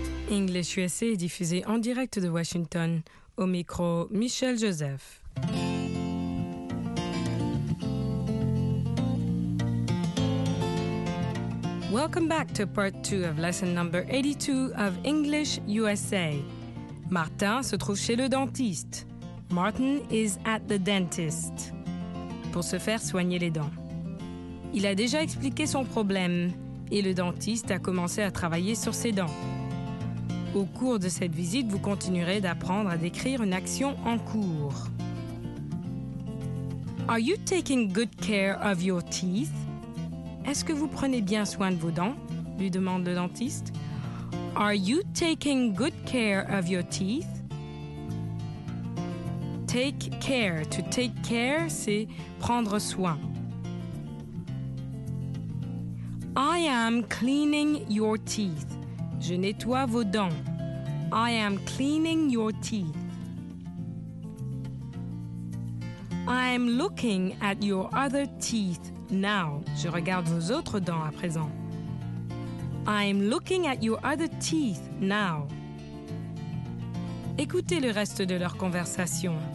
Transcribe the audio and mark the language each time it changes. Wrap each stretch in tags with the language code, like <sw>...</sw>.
<fr>English USA est diffusé en direct de Washington. Au micro, Michel Joseph.</fr> <en>Welcome back to part 2 of lesson number 82 of English USA.</en> <fr>Martin se trouve chez le dentiste.</fr> <en>Martin is at the dentist.</en> <fr>Pour se faire soigner les dents. Il a déjà expliqué son problème et le dentiste a commencé à travailler sur ses dents. Au cours de cette visite, vous continuerez d'apprendre à décrire une action en cours.</fr> <en>Are you taking good care of your teeth?</en> <fr>Est-ce que vous prenez bien soin de vos dents? Lui demande le dentiste.</fr> <en>Are you taking good care of your teeth? Take care. To take care,</en> <fr>c'est prendre soin.</fr> <en>I am cleaning your teeth.</en> <fr>Je nettoie vos dents.</fr> <en>I am cleaning your teeth. I am looking at your other teeth now.</en> <fr>Je regarde vos autres dents à présent.</fr> <en>I am looking at your other teeth now.</en> <fr>Écoutez le reste de leur conversation.</fr>